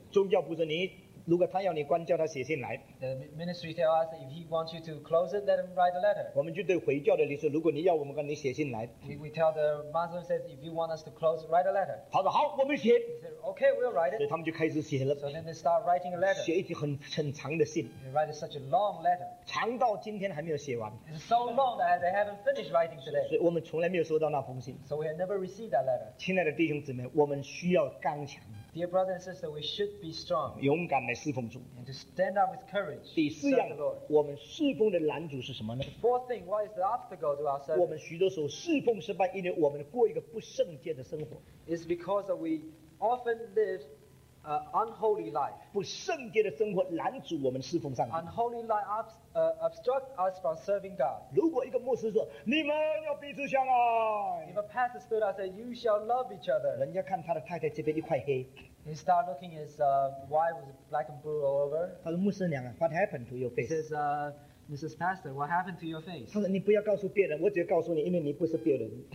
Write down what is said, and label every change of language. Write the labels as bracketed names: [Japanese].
[Chinese] 宗教部说你如果他要你关，叫他写信来。 [English] The Ministry tell us if he wants you to close it, let him write a letter. [Chinese] 我们就对回教的人说，如果你要我们关，你写信来。 [English] We tell the Muslim says if you want us to close, write a letter. [Chinese] 他说好，我们写。 [English] He said okay, we'll write it. [Chinese] 所以他们就开始写了。 [English] So then they start writing a letter. [Chinese] 写一封很长的信。 [English] They write such a long letter. [Chinese] 长到今天还没有写完。 [English] It's so long that they haven't finished writing today. [Chinese] 所以我们从来没有收到那封信。 [English] So we have never received that letter. [Chinese] 亲爱的弟兄姊妹，我们需要刚强。 [English] Dear brothers and sisters, we should be strong. [Chinese] 勇敢地侍奉主。 [English] And to stand up with courage. [Chinese] 第四样，我们侍奉的拦阻是什么呢？ [English] Fourth thing, what is the obstacle to our service? [Chinese] 我们许多时候侍奉失败，因为我们过一个不圣洁的生活。 [English] It's because we often live an unholy life. [Chinese] 不圣洁的生活拦阻我们侍奉上帝。 [English] Unholy life obstructs us from serving God. [Chinese] 如果一个牧师说，你们要彼此相爱。 [English] If a pastor stood up and said, you shall love each other. [Chinese] 人家看他的太太这边一块黑。 [English] He started looking at his wife was black and blue all over. [Chinese] 他说牧师娘啊 [English] ，What happened to your face? He says, Mrs. Pastor, what happened to your face? [Chinese] 他说你不要告诉别人，我只告诉你，因为你不是别人。